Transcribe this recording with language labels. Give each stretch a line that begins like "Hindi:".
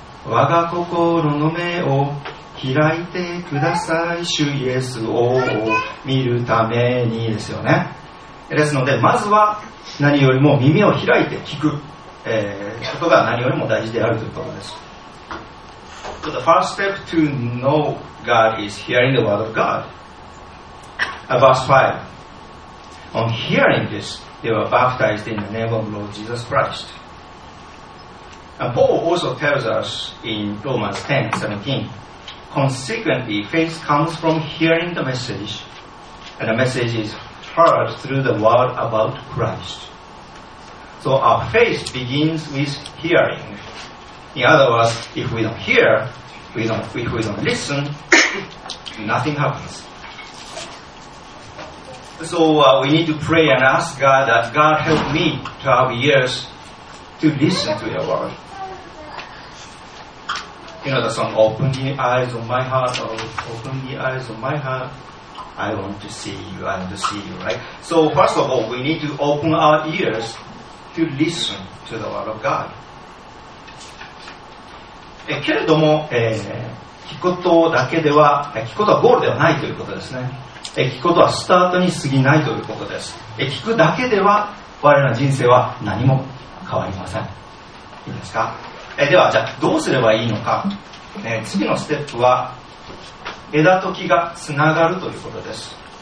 Japanese: 我が心の目を開いてください、主イエスを見るためにですよね。ですのでまずは何よりも耳を開いて聞くことが何よりも大事であるということです。
English: So the first step to know God is hearing the word of GodVerse 5. On hearing this, they were baptized in the name of Lord Jesus Christ. And Paul also tells us in Romans 10:17, consequently, faith comes from hearing the message, and the message is heard through the word about Christ. So our faith begins with hearing. In other words, if we don't hear, if we don't listen, nothing happens. So we need to pray and ask God that God help me to have ears to listen to your word. You know the song, Open the eyes of my heart, open the eyes of my heart. I want to see you, I want to see you, right? So first of all, we need to open our ears to listen to the word of God.
Japanese: けれども、聞くことだけでは、聞くことはゴールではないということですね。聞くことはスタートに過ぎないということです。聞くだけでは我々の人生は何も変わりません。いいですか。ではじゃあどうすればいいのか、次のステップは枝と木がつながるということです。